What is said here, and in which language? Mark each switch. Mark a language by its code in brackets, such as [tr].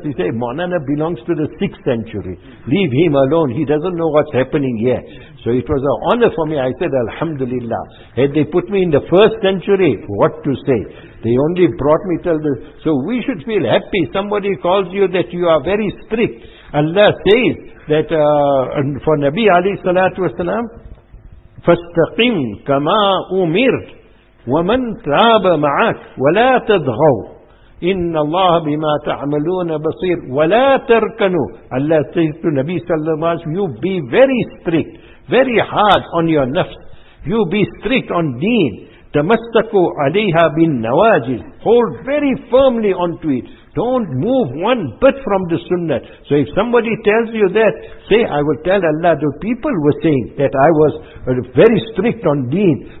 [en] They say, Maulana belongs to the 6th century. Leave him alone. He doesn't know what's happening here. So it was an honor for me. I said, Alhamdulillah. Had they put me in the 1st century, what to say? They only brought me till this. So we should feel happy. Somebody calls you that you are very strict. Allah says that for Nabi Ali Salatu Wasalam, [ar] فَاسْتَقِمْ كَمَا أُمِرْتَ وَمَنْ تَابَ مَعَكَ وَلَا تَضْغَوْا إِنَّ اللَّهَ بِمَا تَعْمَلُونَ بَصِيرٌ وَلَا تَرْكَنُوا. [en] Allah says to Nabi Sallallahu Alaihi Wasallam, you be very strict, very hard on your nafs. You be strict on deen. [ar] تَمَسَّكُوا عَلَيْهَا بِالنَّوَاجِزِ. [en] Hold very firmly onto it. Don't move one bit from the sunnah. So if somebody tells you that, say, I will tell Allah, the people were saying that I was very strict on deen.